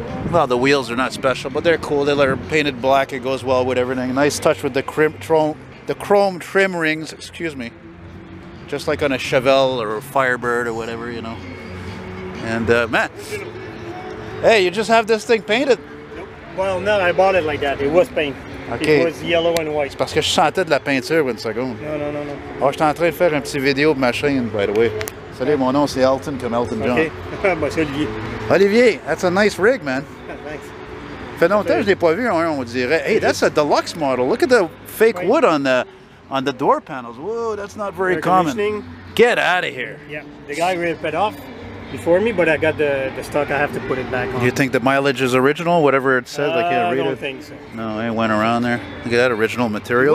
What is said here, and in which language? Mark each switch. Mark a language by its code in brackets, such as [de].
[en] Well, the wheels are not special, but they're cool. They're painted black. It goes well with everything. Nice touch with the chrome trim rings, excuse me, just like on a Chevelle or a Firebird or whatever, you know. And man, hey, you just have this thing painted. Well, no, I bought it like that. It was paint. Okay. It was yellow and white. [fr] C'est parce que je sentais de la peinture, une seconde. [en] No. [fr] Oh, je suis en train de faire un petit vidéo de ma chaîne, [en] by the way. [fr] Salut, mon nom, c'est Elton, comme Elton John. Okay. Monsieur Olivier. [en] Olivier, that's a nice rig, man. Thanks. [fr] Fait longtemps, je l'ai pas vu, on dirait. [en] Hey, that's a deluxe model. Look at the fake wood on the door panels. Whoa, that's not very common. Get out of here. Yeah, the guy ripped it off before me, but I got the stock. I have to put it back on. You think the mileage is original, whatever it says? Like, yeah, read I don't it. Think so. No, it went around there. Look at that original material.